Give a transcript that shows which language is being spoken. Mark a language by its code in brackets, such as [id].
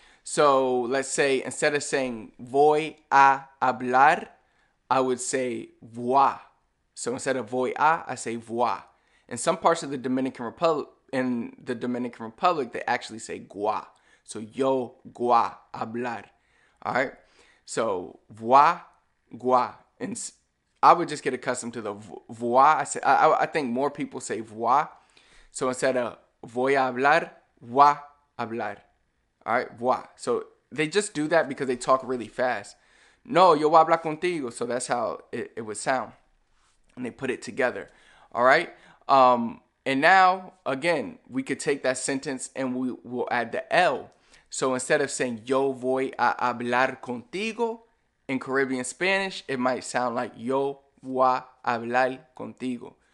[en] So let's say instead of saying [es] voy a hablar, [en] I would say voy. So instead of voy a, I say voy. In some parts of the Dominican in the Dominican Republic, they actually say gua. So [es] yo gua hablar. [en] All right. So gua, gua. And I would just get accustomed to the voa. I think more people say voa. So instead of [es] voy a hablar, voa hablar. [en] All right, voa. So they just do that because they talk really fast. [es] No, yo voy a hablar contigo. [en] So that's how it would sound. And they put it together. All right. And now, again, we could take that sentence and we will add the L. So instead of saying [es] yo voy a hablar contigo, [en] in Caribbean Spanish, it might sound like yo voy a hablar contigo.